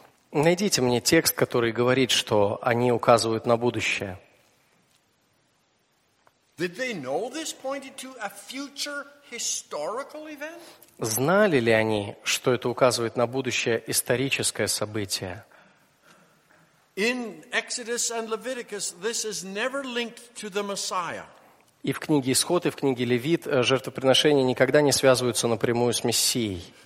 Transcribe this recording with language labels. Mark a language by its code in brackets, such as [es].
[ru] Найдите мне текст, который говорит, что они указывают на будущее. [en] Did they know this pointed to a future historical event? [ru] Знали ли они, что это указывает на будущее историческое событие? [en] In Exodus and Leviticus, this is never linked to the Messiah. [ru] И в книге Исход и в книге Левит жертвоприношения никогда не связываются напрямую с Мессией.